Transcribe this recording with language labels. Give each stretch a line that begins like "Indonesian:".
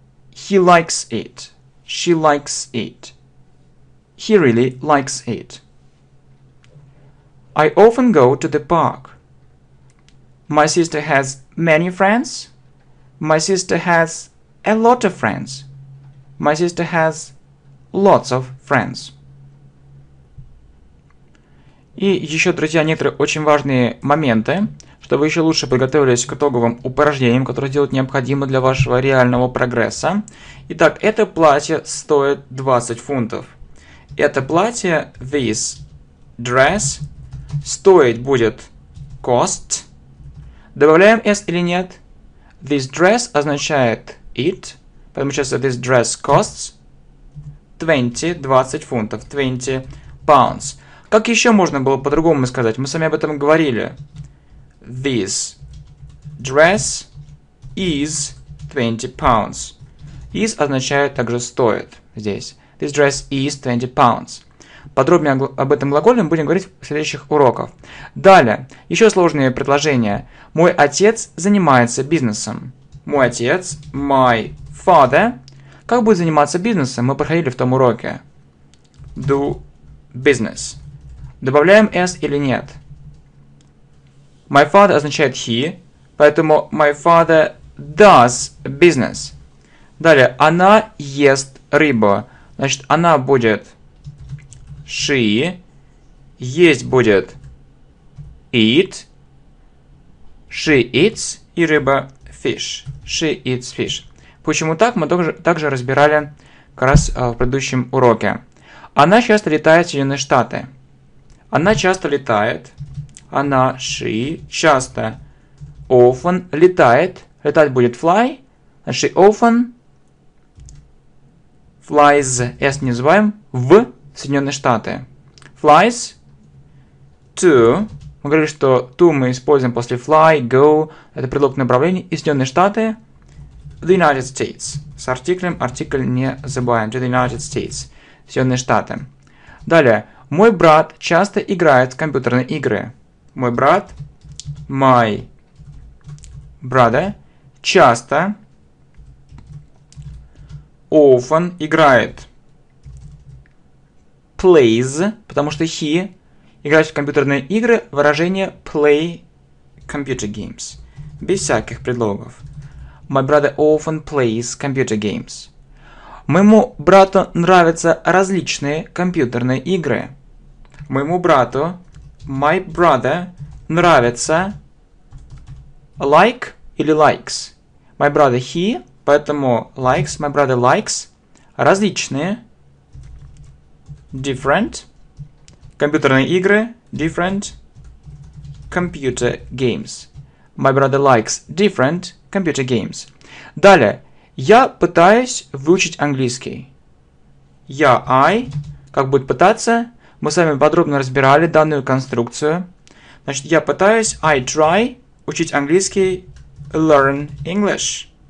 English: He likes it. She likes it. He really likes it. I often go to the park. My sister has many friends. My sister has a lot of friends. My sister has lots of friends.
Russian: И еще, друзья, некоторые очень важные моменты, чтобы вы еще лучше подготовились к итоговым упражнениям, которые сделать необходимо для вашего реального прогресса. Итак, это платье стоит 20 фунтов. Это платье,
English: this dress,
Russian: стоить будет cost. Добавляем s или нет?
English: This dress означает it,
Russian: поэтому сейчас
English: this dress costs 20 фунтов, 20 pounds.
Russian: Как еще можно было по-другому сказать? Мы сами об этом говорили.
English: This dress is 20 pounds.
Russian: Is означает также стоит здесь.
English: This dress is 20 pounds.
Russian: Подробнее об этом глаголе мы будем говорить в следующих уроках. Далее, еще сложные предложения. Мой отец занимается бизнесом. Мой отец,
English: my father.
Russian: Как будет заниматься бизнесом? Мы проходили в том уроке.
English: Do business.
Russian: Добавляем s или нет?
English: My father означает he, поэтому my father does business.
Russian: Далее, она ест рыбу. Значит, она будет she, есть будет eat, she eats и рыба fish, she eats fish. Почему так, мы также разбирали как раз в предыдущем уроке. Она часто летает в Соединенные Штаты. Она часто летает, она, she, часто, often, летает, летать будет fly, she often flies, s не называем, в Соединенные Штаты. Flies to, мы говорили, что to мы используем после fly, go, это предлог направления, и Соединенные Штаты, the United States, с артиклем, артикль не забываем,
English: to the United States,
Russian: Соединенные Штаты. Далее, мой брат часто играет в компьютерные игры. Мой брат, my brother, часто, often играет, plays, потому что he играет в компьютерные игры, выражение
English: play computer games,
Russian: без всяких предлогов.
English: My brother often plays computer games.
Russian: Моему брату нравятся различные компьютерные игры. Моему брату, my brother, нравится like или likes.
English: My brother he, поэтому likes, my brother likes различные different
Russian: компьютерные игры,
English: different computer games. My brother likes different computer games.
Russian: Далее, я пытаюсь выучить английский. Я, I, как будет пытаться? Мы с вами подробно разбирали данную конструкцию. Значит, я пытаюсь,
English: I try,
Russian: учить английский,
English: learn English.